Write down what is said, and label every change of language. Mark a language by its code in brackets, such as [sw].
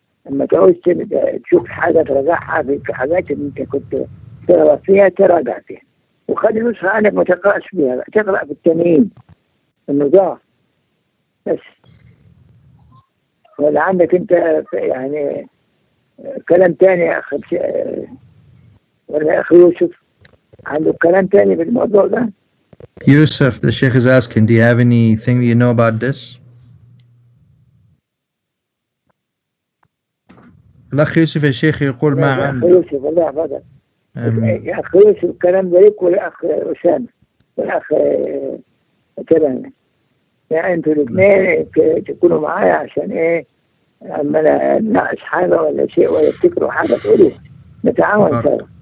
[ar] لما تعوز تشوف حاجة ترجعها في حاجات اللي أنت كنت تقرأ فيها تراجع فيها، وخلي نسخة عنك ما تقرأش فيها، تقرأ بالتنين النظام بس. ولا عندك أنت يعني كلام تاني يا أخي، ولا أخي يوسف عنده كلام تاني بالموضوع ده؟ [en] يوسف، the sheikh is asking, do you have anything you know about this؟ [ar] الأخ يوسف الشيخ يقول ما عنده. أخ يوسف الله يحفظك. يا أخ يوسف الكلام ده لك، والأخ أسامة، والأخ كلامي. يعني أنتوا الاثنين تكونوا معايا عشان إيه؟ أما أنا ناقص حاجة ولا شيء ولا تفتكروا حاجة تقولوها. نتعاون سوا.